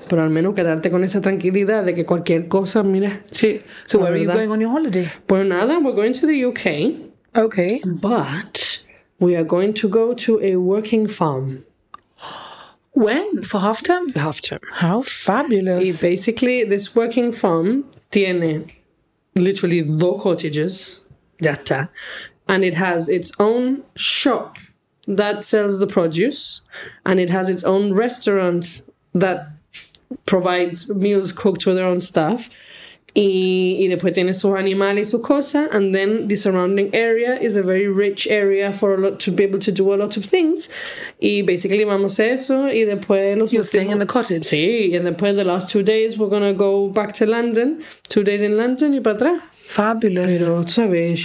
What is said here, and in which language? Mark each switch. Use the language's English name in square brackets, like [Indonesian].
[Spanish] Pero al menos quedarte con esa tranquilidad de que cualquier cosa, mira. Sí. [English] So where are you going on your holiday? [Spanish] Pues nada, [English] we're going to the UK. Okay. But we are going to go to a working farm. When? For half term? Half term. How fabulous. He basically, this working farm [Spanish] tiene literally dos cottages. Ya está. [English] And it has its own shop that sells the produce. And it has its own restaurant that provides meals cooked with their own staff. [Spanish] Y después tiene sus animales y su cosa. [English] And then the surrounding area is a very rich area for a lot to be able to do a lot of things. [Spanish] Y basically vamos a eso. Y después los [English] You're staying in the cottage. Sí. And después the last 2 days we're gonna go back to London. 2 days in London [Spanish] y para atrás. [English] Fabulous. [Spanish] Pero, ¿tú sabes?